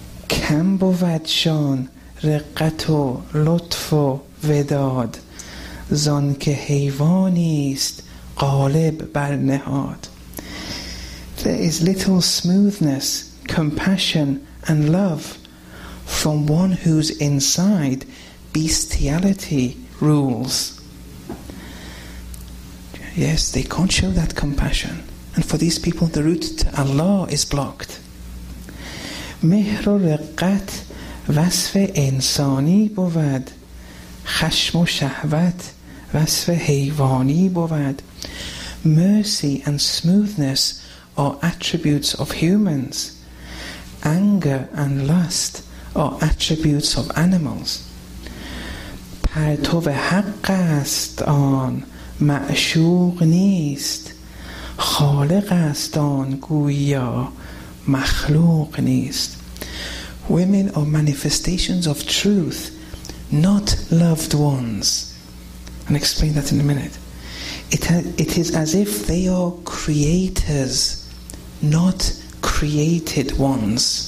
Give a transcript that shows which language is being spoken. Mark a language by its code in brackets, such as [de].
[fa] کمبود شان رقت و لطف و وداد زان که حیوانی است غالب بر نهاد. [en] There is little smoothness, compassion and love from one whose inside bestiality rules. Yes, they can't show that compassion. And for these people, the route to Allah is blocked. [fa] مهر و رقت وصف انسانی بود خشم و شهوت وصف حیوانی بود. [en] Mercy and smoothness are attributes of humans. Anger and lust are attributes of animals. [fa] پرتو حق است آن معشوق نیست خالق است آن گویا مخلوق نیست. [en] Women are manifestations of truth, not loved ones. I'll explain that in a minute. It is as if they are creators, not created ones.